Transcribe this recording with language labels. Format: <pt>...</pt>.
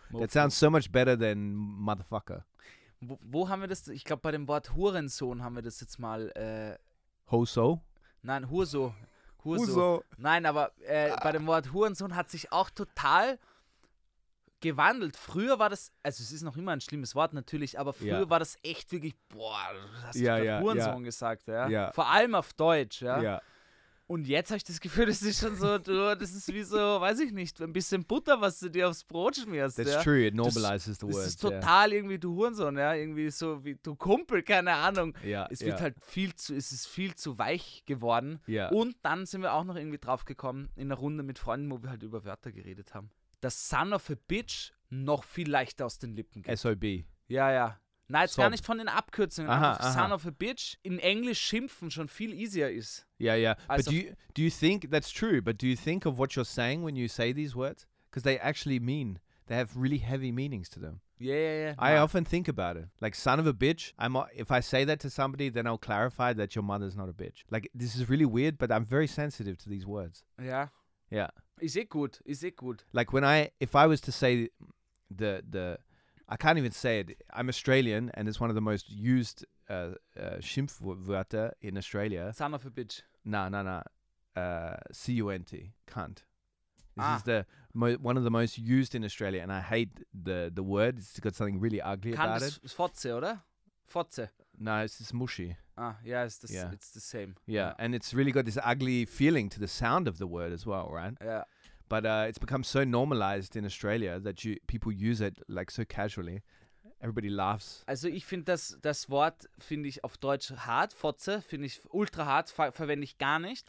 <en>That sounds so much better than motherfucker.</en> <de>Wo haben wir das? Ich glaube, bei dem Wort Hurensohn haben wir das jetzt mal. Hoso? Nein, Hurso. Hurso. Nein, aber bei dem Wort Hurensohn hat sich auch total gewandelt. Früher war das, also es ist noch immer ein schlimmes Wort natürlich, aber früher war das echt wirklich, boah, hast du Hurensohn gesagt, ja? Ja. Vor allem auf Deutsch, ja? Ja. Und jetzt habe ich das Gefühl, das ist schon so, das ist wie so, weiß ich nicht, ein bisschen Butter, was du dir aufs Brot schmierst. That's true, it normalizes the word. Das ist total irgendwie du Hurensohn, ja? Irgendwie so wie du Kumpel, keine Ahnung. Ja, es wird halt viel zu, es ist viel zu weich geworden. Ja. Und dann sind wir auch noch irgendwie drauf gekommen in einer Runde mit Freunden, wo wir halt über Wörter geredet haben. Das</de> <en>Son of a Bitch</en> <de>noch viel leichter aus den Lippen geht. S.O.B. Ja, ja. Nein, jetzt gar nicht von den Abkürzungen.</de> <en>Son of a Bitch</en> <de>in Englisch schimpfen schon viel easier ist. Ja, ja.</de> <en>But do you think, that's true, but do you think of what you're saying when you say these words? Because they actually mean, they have really heavy meanings to them. Yeah, yeah, yeah. I often think about it. Like, son of a bitch, if I say that to somebody, then I'll clarify that your mother's not a bitch. Like, this is really weird, but I'm very sensitive to these words. Yeah. Yeah. Is it good? Is it good? Like when if I was to say the I can't even say it. I'm Australian and it's one of the most used Schimpfwörter in Australia. Son of a bitch. No. C-U-N-T. Cunt. This is one of the most used in Australia and I hate the word. It's got something really ugly cunt about</en> <de>it. Cunt Fotze, oder? Fotze.</de> <en>No, it's mushy. It's the same. Yeah, and it's really got this ugly feeling to the sound of the word as well, right? Yeah. But it's become so normalized in Australia that people use it like so casually. Everybody laughs.</en> <de>Also ich finde das Wort, finde ich auf Deutsch hart. Fotze finde ich ultra hart, verwende ich gar nicht.</de>